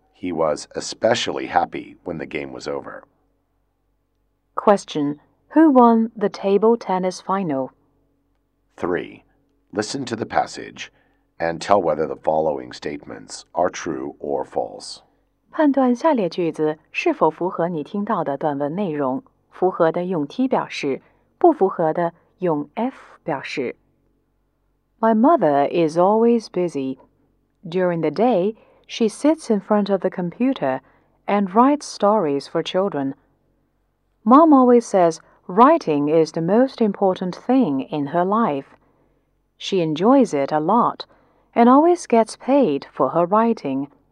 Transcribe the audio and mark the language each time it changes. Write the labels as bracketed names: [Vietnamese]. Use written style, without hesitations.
[English] He was especially happy when the game was over. Question, who won the table tennis final? 3. Listen to the passage and tell whether the following statements are true or false. [Chinese] 判断下列句子是否符合你听到的短文内容。符合的用 T 表示，不符合的用 F 表示。 [English] My mother is always busy. During the day, she sits in front of the computer and writes stories for children. Mom always says writing is the most important thing in her life. She enjoys it a lot and always gets paid for her writing.